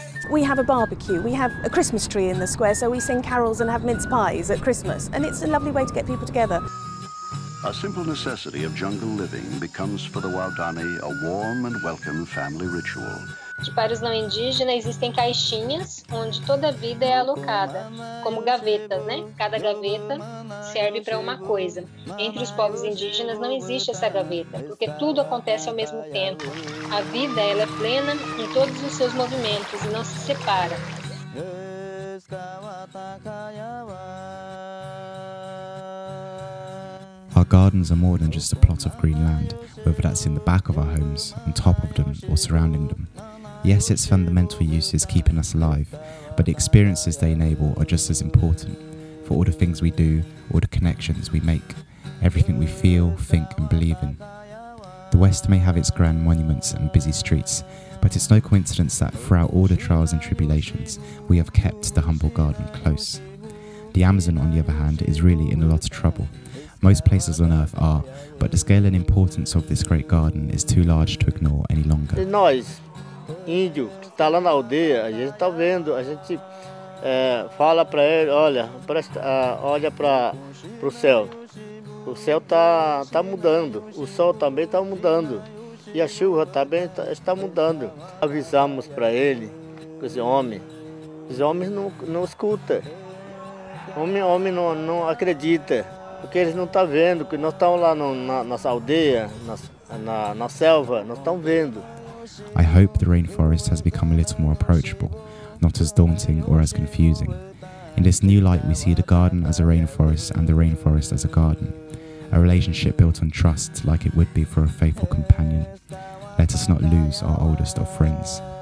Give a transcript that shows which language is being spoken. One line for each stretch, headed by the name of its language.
English: We have a barbecue, we have a Christmas tree in the square, so we sing carols and have mince pies at Christmas, and it's a lovely way to get people together. A simple necessity of jungle living becomes for the Waldani a warm and welcome family ritual.
Portuguese: Para os não indígenas, existem caixinhas onde toda a vida é alocada, como gavetas, né? Cada gaveta serve para uma coisa. Entre os povos indígenas não existe essa gaveta, porque tudo acontece ao mesmo tempo. A vida, ela é plena em todos os seus movimentos e não se separa.
English: Our gardens are more than just a plot of green land, whether that's in the back of our homes, on top of them, or surrounding them. Yes, its fundamental use is keeping us alive, but the experiences they enable are just as important for all the things we do, all the connections we make, everything we feel, think and believe in. The West may have its grand monuments and busy streets, but it's no coincidence that throughout all the trials and tribulations, we have kept the humble garden close. The Amazon, on the other hand, is really in a lot of trouble. Most places on earth are, but the scale and importance of this great garden is too large to ignore any longer. The noise.
Portuguese: Índio que está lá na aldeia, a gente está vendo, a gente fala para ele, olha para o céu. O céu tá mudando, o sol também está mudando e a chuva também está mudando. Avisamos para ele, os homens não escutam, homem não acredita, porque eles não estão vendo, que nós estamos lá no, nas aldeias, na selva, nós estamos vendo.
English: I hope the rainforest has become a little more approachable, not as daunting or as confusing. In this new light, we see the garden as a rainforest and the rainforest as a garden, a relationship built on trust like it would be for a faithful companion. Let us not lose our oldest of friends.